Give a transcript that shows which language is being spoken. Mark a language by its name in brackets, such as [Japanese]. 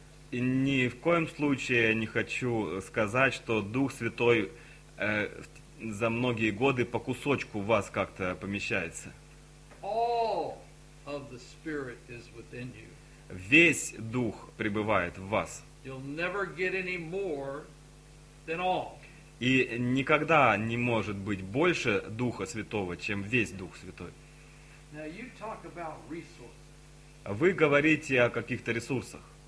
[Russian] И ни в коем случае я не хочу сказать, что Дух Святой за многие годы по кусочку в вас как-то помещается. [English] All of the Spirit is within you. [Russian] Весь Дух пребывает в вас. [English] You'll never get any more than all. [Russian] И никогда не может быть больше Духа Святого, чем весь Дух Святой. [English] Now you talk about resources. [Russian] Вы говорите о каких-то ресурсах.